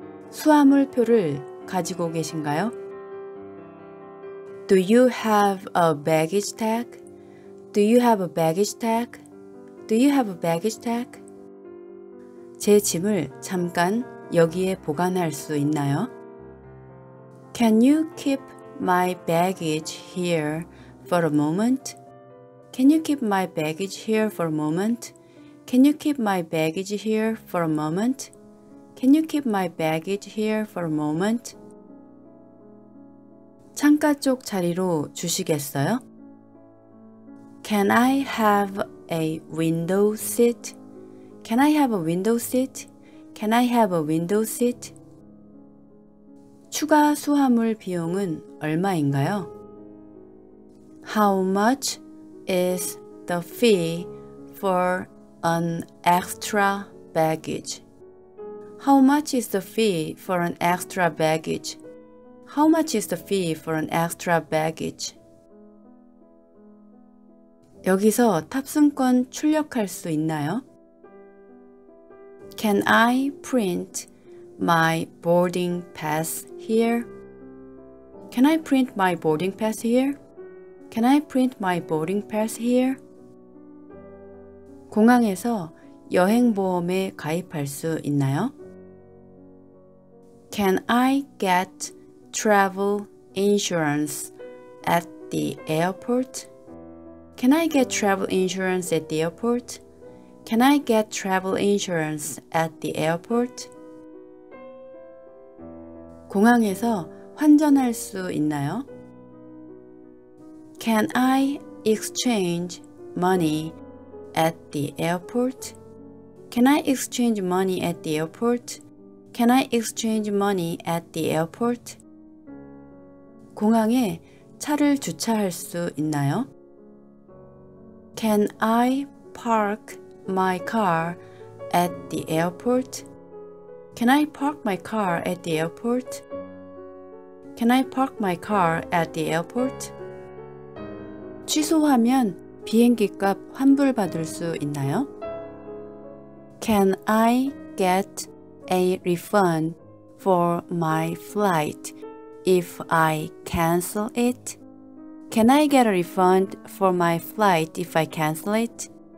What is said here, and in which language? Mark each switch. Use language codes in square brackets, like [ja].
[ko] 수화물표를 가지고 계신가요? [en] Do you have a baggage tag? Do you have a baggage tag? Do you have a baggage tag? [ko] 제 짐을 잠깐 여기에 보관할 수 있나요? [en] Can you keep my baggage here for a moment? Can you keep my baggage here for a moment? Can you keep my baggage here for a moment? Can you keep my baggage here for a moment? [ko] 창가 쪽 자리로 주시겠어요? [en] Can I have a window seat? Can I have a window seat? Can I have a window seat? [ko] 추가 수화물 비용은 얼마인가요? [en] How much is the fee for an extra baggage? How much is the fee for an extra baggage? How much is the fee for an extra baggage? [ko] 여기서 탑승권 출력할 수 있나요? [en] Can I print my boarding pass here? Can I print my boarding pass here? Can I print my boarding pass here? [ko] 공항에서 여행보험에 가입할 수 있나요? [en] Can I get travel insurance at the airport? Can I get travel insurance at the airport? Can I get travel insurance at the airport? [ko] 공항에서 환전할 수 있나요? [en] Can I exchange money at the airport? Can I exchange money at the airport? Can I exchange money at the airport? [ko] 공항에 차를 주차할 수 있나요? [en] Can I park my car at the airport? Can I park my car at the airport? Can I park my car at the airport? [ko] 취소하면 비행기 값 환불받을 수 있나요? [en] Can I get a refund for my flight if I cancel it? Can I get a refund for my flight if I cancel it?